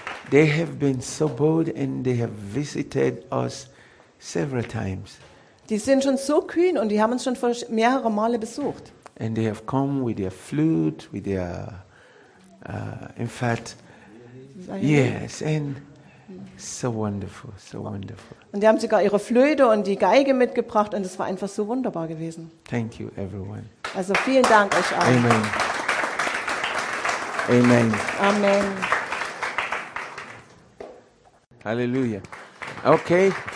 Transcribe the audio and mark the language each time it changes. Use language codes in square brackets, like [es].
[en] They have been so bold and they have visited us several times. [de] Die sind schon so kühn und die haben uns schon mehrere Male besucht. [en] And they have come with their flute, with their in fact yes, and so wonderful. [de] Und die haben sogar ihre Flöte und die Geige mitgebracht und es war einfach so wunderbar gewesen. [en] Thank you everyone. [de] Also vielen Dank euch allen. Amen. Amen. Amen. Hallelujah. Okay.